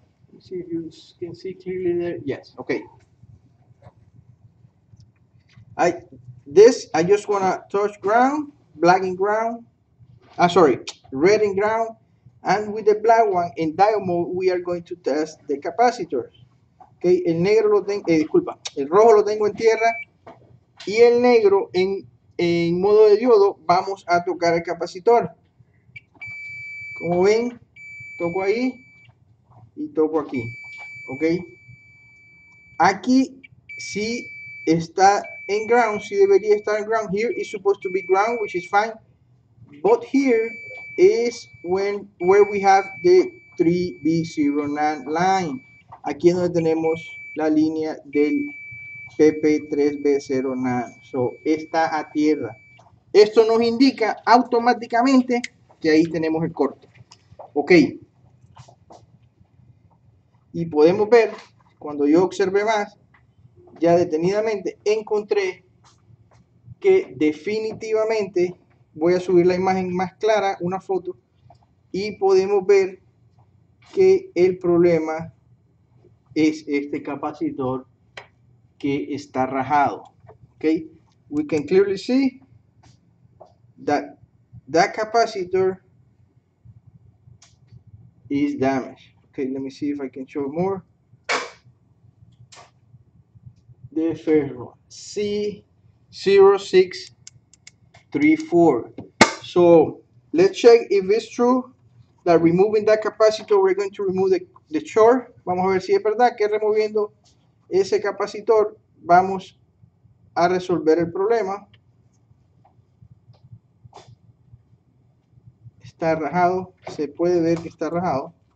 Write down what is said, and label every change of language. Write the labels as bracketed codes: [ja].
[en] Let's see if you can see clearly there. Yes, okay. I just wanna touch ground, black and ground. Red and ground. And with the black one in dial mode, we are going to test the capacitors. [es] Okay, el negro lo tengo, disculpa, el rojo lo tengo en tierra y el negro en modo de diodo. Vamos a tocar el capacitor. Como ven, toco ahí y toco aquí. Ok, aquí sí está en ground, sí debería estar en ground. [en] Here is supposed to be ground, which is fine, but here is where we have the 3B09 line. [es] Aquí es donde tenemos la línea del PP3B09. So, está a tierra. Esto nos indica automáticamente que ahí tenemos el corte. Ok. Y podemos ver, cuando yo observé más, ya detenidamente encontré que definitivamente, voy a subir la imagen más clara, una foto, y podemos ver que el problema es este capacitor que está rajado. [en] Okay, we can clearly see that capacitor is damaged. Okay, let me see if I can show more. The first one, C0634. So let's check if it's true that removing that capacitor, we're going to remove the short. [es] Vamos a ver si es verdad que removiendo ese capacitor vamos a resolver el problema. Está rajado. Se puede ver que está rajado.